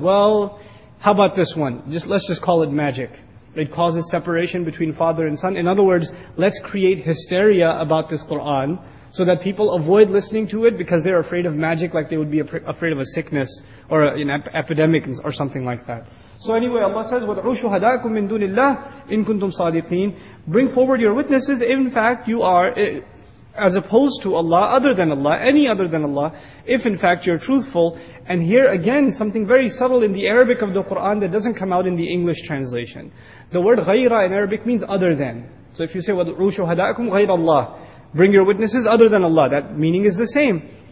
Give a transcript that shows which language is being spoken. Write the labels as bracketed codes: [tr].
[en] Well, how about this one? Let's just call it magic. It causes separation between father and son. In other words, let's create hysteria about this Qur'an so that people avoid listening to it because they're afraid of magic, like they would be afraid of a sickness or an epidemic or something like that. So anyway, Allah says, [ar] وَدْعُوا شُهَدَاءَكُمْ مِنْ دُونِ اللَّهِ إِن كُنْتُمْ صَادِقِينَ. [en] Bring forward your witnesses, if in fact you are, as opposed to Allah, other than Allah, any other than Allah, if in fact you're truthful. And here again, something very subtle in the Arabic of the Qur'an that doesn't come out in the English translation. The word غَيْرَ in Arabic means other than. So if you say, [ar] وَدْعُوا شُهَدَاءَكُمْ غَيْرَ اللَّهِ, [en] bring your witnesses other than Allah, that meaning is the same.